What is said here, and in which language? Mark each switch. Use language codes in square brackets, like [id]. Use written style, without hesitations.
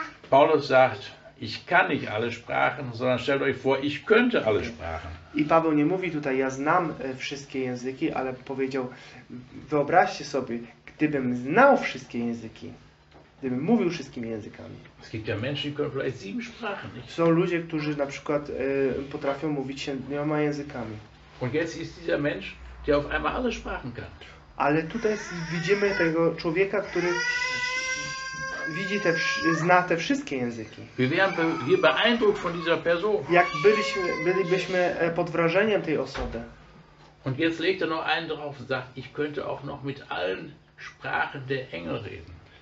[de] Paulus sagt, ich kann nicht alle Sprachen, sondern stellt euch vor, ich könnte alle Sprachen. [pl] I Paweł nie mówi tutaj, ja znam wszystkie języki, ale powiedział, wyobraźcie sobie, gdybym znał wszystkie języki, gdybym mówił wszystkimi językami. [de] Es gibt ja Menschen, die können vielleicht sieben Sprachen, nicht? [pl] Są ludzie, którzy na przykład potrafią mówić siedmioma językami. [de] Und jetzt ist dieser Mensch, der auf einmal alle Sprachen kann. [pl] Ale tutaj widzimy tego człowieka, który widzi zna te wszystkie języki. [de] Wir beeindruckt von dieser Person. [pl] Jak bylibyśmy pod wrażeniem tej osoby. [de] Und jetzt legt er noch einen drauf und sagt, ich könnte auch noch mit allen Sprachen der Engel reden.